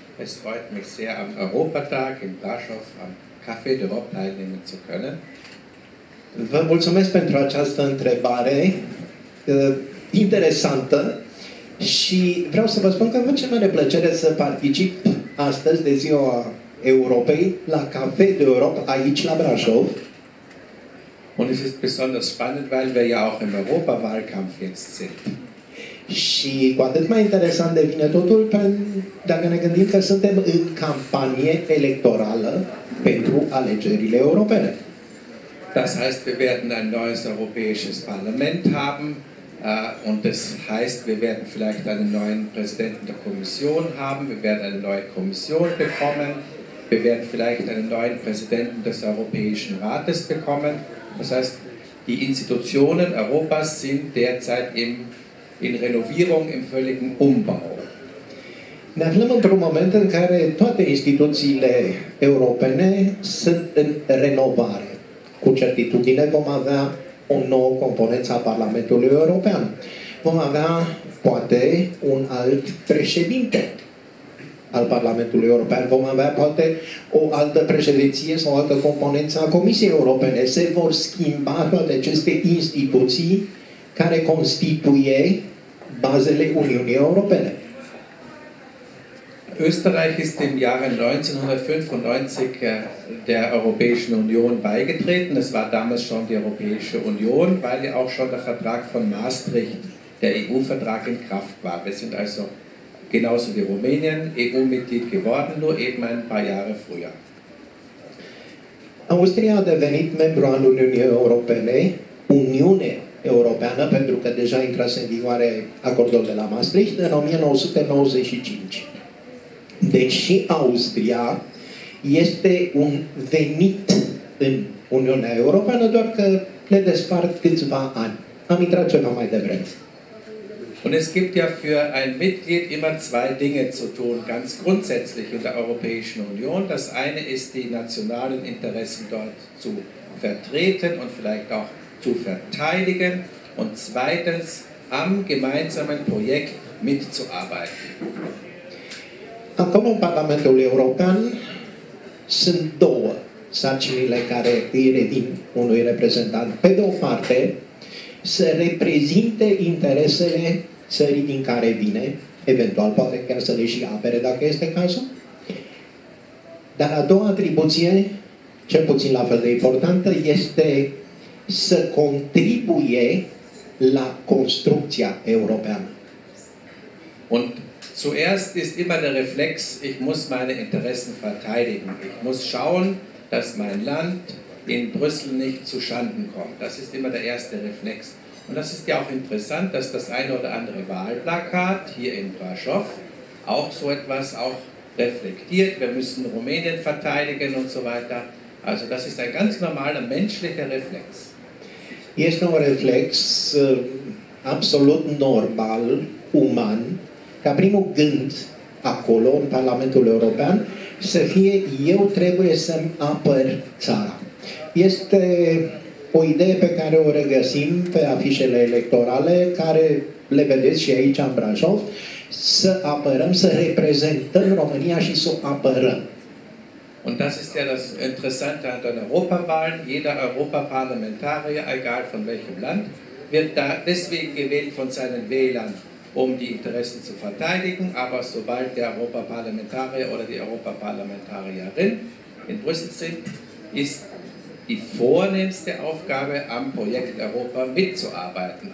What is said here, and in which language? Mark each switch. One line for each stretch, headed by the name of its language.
German: Es freut mich sehr, am Europatag in Brașov am Café de Rob teilnehmen zu können.
Romanian: Vă mulțumesc pentru această întrebare interesantă și vreau să vă spun că mă ce mare plăcere să particip astăzi de Ziua Europei la Café de Rob aici la Brașov.
German: Und es ist besonders spannend, weil wir ja auch im Europawahlkampf jetzt sind.
Romanian: Și cu atât mai interesant devine totul dacă ne gândim că suntem în campanie electorală pentru alegerile europene.
German: Das heißt, wir werden ein neues europäisches Parlament haben und das heißt, wir werden vielleicht einen neuen Präsidenten der Kommission haben, wir werden eine neue Kommission bekommen, wir werden vielleicht einen neuen Präsidenten des Europäischen Rates bekommen. Das heißt, die Institutionen Europas sind derzeit in Renovierung, im völligen Umbau.
Romanian: Ne aflăm într-un moment în care toate instituțiile europene sunt în renovare. Cu certitudine vom avea o nouă componență a Parlamentului European. Vom avea, poate, un alt președinte al Parlamentului European. Vom avea, poate, o altă președinție sau o altă componență a Comisiei Europene. Se vor schimba toate aceste instituții care constituie bazele Uniunii Europene.
German: Österreich ist im Jahre 1995 der Europäischen Union beigetreten. Das war damals schon die Europäische Union, weil ja auch schon der Vertrag von Maastricht, der EU-Vertrag, in Kraft war. Wir sind also genauso wie Rumänien EU-Mitglied geworden, nur eben ein paar Jahre früher.
Romanian: Austria a devenit membru al Uniunii Europene, Uniune europeană, pentru că deja intrase în vigoare acordul de la Maastricht în 1995. Deci și Austria este un venit în Uniunea Europeană, doar că le despart câțiva ani. Am intrat ceva mai devreme.
German: Und es gibt ja für ein Mitglied immer zwei Dinge zu tun, ganz grundsätzlich in der Europäischen Union. Das eine ist, die nationalen Interessen dort zu vertreten und vielleicht auch zu verteidigen. Und zweitens, am gemeinsamen Projekt mitzuarbeiten.
Romanian: Acum în Parlamentul European sunt două sarcinile care îi revin unui reprezentant. Pe de o parte, să reprezinte interesele țării din care vine, eventual poate chiar să le și apere dacă este cazul. Dar a doua atribuție, cel puțin la fel de importantă, este să contribuie la construcția europeană.
German: Und zuerst ist immer der Reflex, ich muss meine Interessen verteidigen. Ich muss schauen, dass mein Land in Brüssel nicht zu Schanden kommt. Das ist immer der erste Reflex. Und das ist ja auch interessant, dass das eine oder andere Wahlplakat hier in Brasov auch so etwas auch reflektiert. Wir müssen Rumänien verteidigen und so weiter. Also das ist ein ganz normaler menschlicher Reflex. Hier ist noch ein Reflex, absolut normal, uman.
Romanian: Ca primul gând acolo, în Parlamentul European, să fie eu trebuie să-mi apăr țara. Este o idee pe care o regăsim pe afișele electorale, care le vedeți și aici în Brașov, să apărăm, să reprezentăm România și să o apărăm.
German: Und das ist ja das Interessante an den Europawahlen. Jeder Europaparlamentarier, egal von welchem Land, wird da deswegen gewählt von seinen Wählern, um die Interessen zu verteidigen, aber sobald der Europaparlamentarier oder die Europaparlamentarierin in Brüssel sind, ist die vornehmste Aufgabe, am Projekt Europa mitzuarbeiten.